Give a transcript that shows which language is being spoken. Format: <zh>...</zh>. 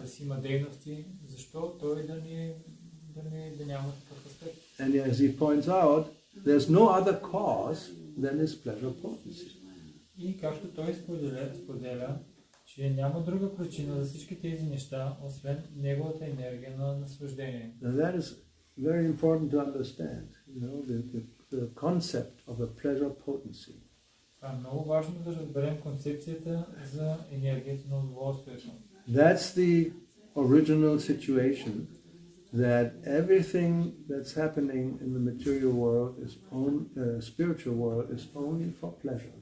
<bg>Да си има дейности, защо той да няма такъв аспект.</bg> <en>And as he points out, there's no other cause than his pleasure potency.</en> <bg>И както той споделя, че няма друга причина за всички тези неща, освен неговата енергия на наслаждение.</bg> <en>Now that is very important to understand, you know, the concept of a pleasure potency.</en> <bg>Това е много важно да разберем концепцията за енергията на удоволствието.</bg> <en>That's the original situation that everything that's happening in the material world is spiritual world is only for pleasure.</en>